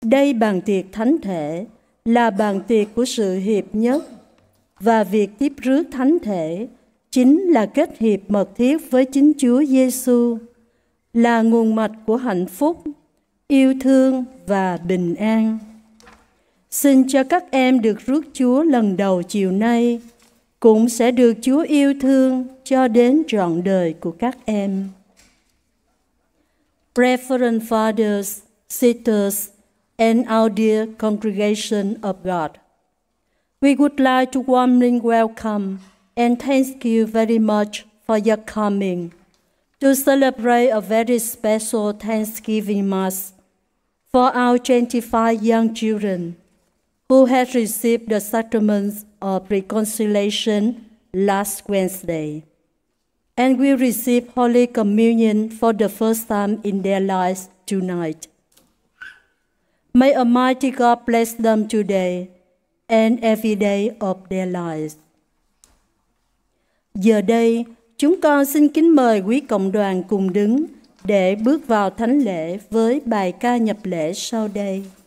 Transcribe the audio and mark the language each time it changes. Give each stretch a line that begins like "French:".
Vietnamese: Đây bàn tiệc thánh thể là bàn tiệc của sự hiệp nhất, và việc tiếp rước thánh thể chính là kết hiệp mật thiết với chính Chúa Giêsu, là nguồn mạch của hạnh phúc, yêu thương và bình an. Xin cho các em được rước Chúa lần đầu chiều nay, cũng sẽ được Chúa yêu thương cho đến trọn đời của các em.
English: Reverend Fathers, Sisters, and our dear congregation of God, we would like to warmly welcome and thank you very much for your coming to celebrate a very special Thanksgiving Mass for our 25 young children who have received the sacraments of reconciliation last Wednesday, and will receive Holy Communion for the first time in their lives tonight. May Almighty God bless them today and every day of their lives.
Vietnamese: Giờ đây, chúng con xin kính mời quý cộng đoàn cùng đứng để bước vào thánh lễ với bài ca nhập lễ sau đây.